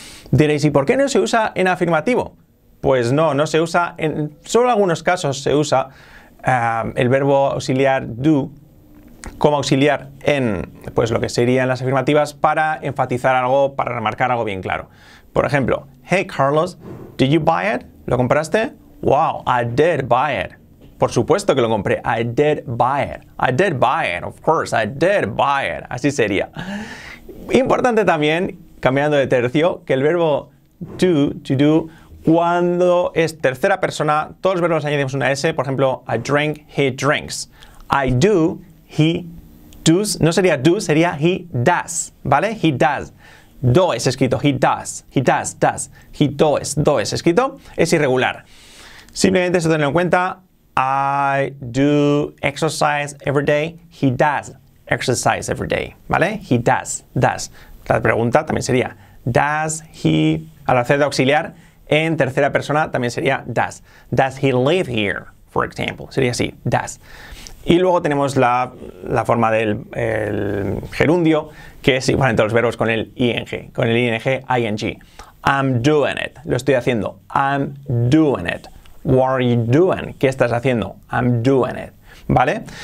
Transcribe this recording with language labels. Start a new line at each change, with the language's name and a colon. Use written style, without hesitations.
Spanish: Diréis, ¿y por qué no se usa en afirmativo? Pues no, no se usa, en solo algunos casos se usa el verbo auxiliar do como auxiliar en pues lo que serían las afirmativas para enfatizar algo, para remarcar algo bien claro. Por ejemplo,
English: hey Carlos, did you buy it?
Spanish: ¿Lo compraste?
English: Wow, I did buy it.
Spanish: Por supuesto que lo compré.
English: I did buy it. I did buy it. Of course, I did buy it.
Spanish: Así sería. Importante también, cambiando de tercio, que el verbo to do, cuando es tercera persona, todos los verbos añadimos una S. Por ejemplo,
English: I drink, he drinks. I do, he does.
Spanish: No sería do, sería
English: he does.
Spanish: ¿Vale?
English: He does.
Spanish: Do es escrito. He does. He does, does. He does. Do es escrito. Es irregular. Simplemente eso tenerlo en cuenta.
English: I do exercise every day. He does exercise every day.
Spanish: ¿Vale?
English: He does. Does.
Spanish: La pregunta también sería does he, al hacer de auxiliar, en tercera persona también sería does.
English: Does he live here, for example?
Spanish: Sería así, does. Y luego tenemos la forma del el gerundio, que es igual en todos los verbos con el ing. Con el ing, ing.
English: I'm doing it.
Spanish: Lo estoy haciendo.
English: I'm doing it. What are you doing?
Spanish: ¿Qué estás haciendo?
English: I'm doing it. ¿Vale?